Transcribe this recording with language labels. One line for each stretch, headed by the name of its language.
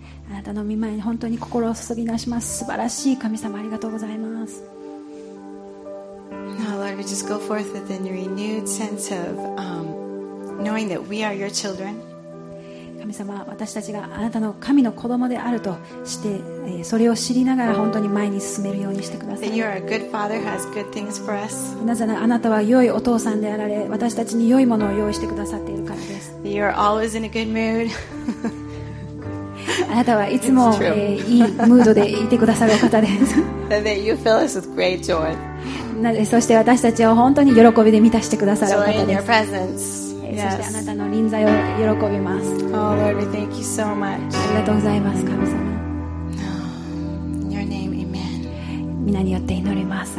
Japanese: あなたの御前に本当に心を注ぎなします。素晴らしい神様、ありがとうございます。
English: Now, Lord, we just go forth with a renewed sense of knowing that we are your children.
Japanese: 神様、私たちがあなたの神の子供であるとして、それを知りながら本当に前に進めるようにしてください。
English: That you are a good father who has good things for us.
Japanese: なぜなら、あなたは良いお父さんであられ、私たちに良いものを用意してくださっているからです。
English: That you are always in a good mood.
Japanese: あなたはいつも、いいムードでいてくださる方です。
English: And that you fill us with great joy.
Japanese: なので、そして私たちを本当に喜びで満たしてくださる方です。
English: Joy in your presence.
Japanese: そしてあなたの臨在を喜びます。
English: Oh Lord, we thank you so much.
Japanese: ありがとうございます、神様。みなによって祈ります。